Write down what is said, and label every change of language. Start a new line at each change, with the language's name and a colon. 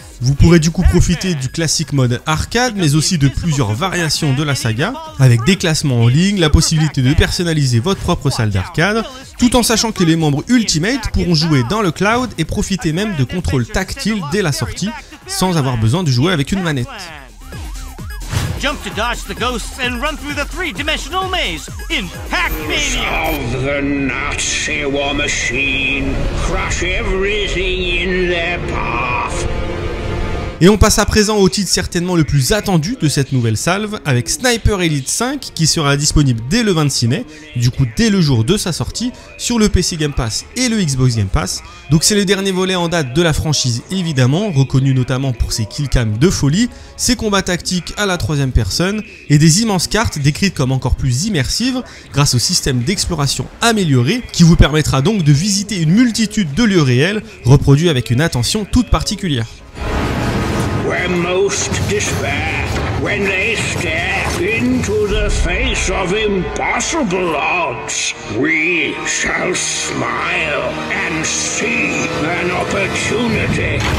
French: Vous pourrez du coup profiter du classique mode arcade mais aussi de plusieurs variations de la saga avec des classements en ligne, la possibilité de personnaliser votre propre salle d'arcade tout en sachant que les membres Ultimate pourront jouer dans le cloud et profiter même de contrôles tactiles dès la sortie sans avoir besoin de jouer avec une manette.
English: Jump to dodge the ghosts and run through the three-dimensional maze in Pac-Mania! Solve the Nazi war machine! Crush everything in their path!
French: Et on passe à présent au titre certainement le plus attendu de cette nouvelle salve, avec Sniper Elite 5 qui sera disponible dès le 26 mai, du coup dès le jour de sa sortie, sur le PC Game Pass et le Xbox Game Pass. Donc c'est le dernier volet en date de la franchise évidemment, reconnu notamment pour ses killcams de folie, ses combats tactiques à la troisième personne, et des immenses cartes décrites comme encore plus immersives grâce au système d'exploration amélioré qui vous permettra donc de visiter une multitude de lieux réels, reproduits avec une attention toute particulière.
English: Where most despair, when they stare into the face of impossible odds, we shall smile and see an opportunity.